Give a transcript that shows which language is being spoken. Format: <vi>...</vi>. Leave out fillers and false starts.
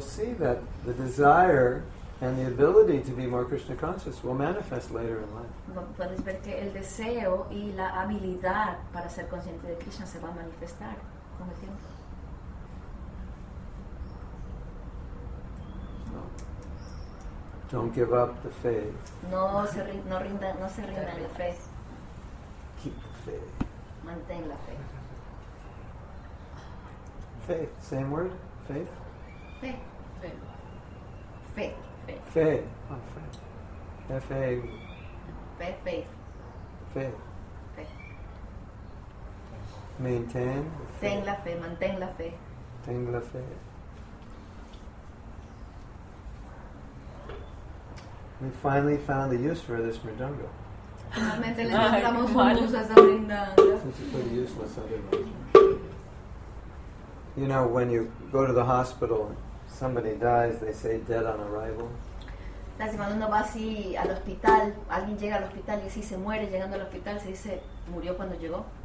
<en>see that the desire and the ability to be more Krishna conscious will manifest later in life.</en> <es>Puedes ver que el deseo y la habilidad para ser consciente de Krishna se va a manifestar con el tiempo.</es> <en>Don't give up the faith.</en> <es>No se rinda, no se rinda la fe.</es> <en>Keep the faith.</en> <es>Mantén la fe.</es> <en>Faith, same word, faith. Faith. Faith. Faith. Faith. Faith. Faith. Faith. Faith. Maintain.</en> <es>Ten la fe. Mantén la fe. Ten la fe.</es> <en>We finally found a use for this mridanga.</en> <es>Finalmente le encontramos un uso a esa</es> <en>mridanga. This is pretty useless otherwise. You know, when you go to the hospital, somebody dies, they say dead on arrival.</en> <es>Si cuando uno va así al hospital, alguien llega al hospital y así se muere llegando al hospital, se dice murió cuando llegó.</es>